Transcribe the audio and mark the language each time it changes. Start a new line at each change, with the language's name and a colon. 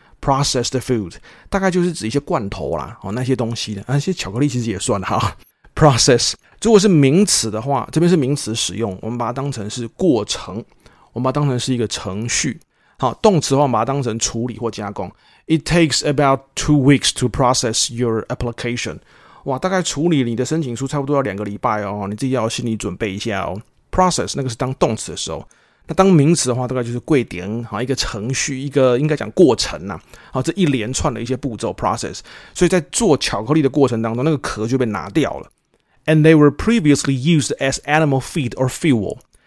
Chinese: Processed food 大概就是指一些罐头啦，哦，那些东西的，那些巧克力其实也算哈。 Process 如果是名词的话，这边是名词使用，我们把它当成是过程，我们把它当成是一个程序。好，动词的话，我们把它当成处理或加工。
English: It takes about 2 weeks to process your application。
Chinese: 哇，大概处理你的申请书差不多要2个礼拜哦，你自己要心理准备一下哦。 Process 那个是当动词的时候，那当名词的话，大概就是过程，好，一个程序，一个应该讲过程呐、啊，好，这一连串的一些步骤 process。所以在做巧克力的过程当中，那个壳就被拿掉了。
English: And they were previously used as animal feed or fuel。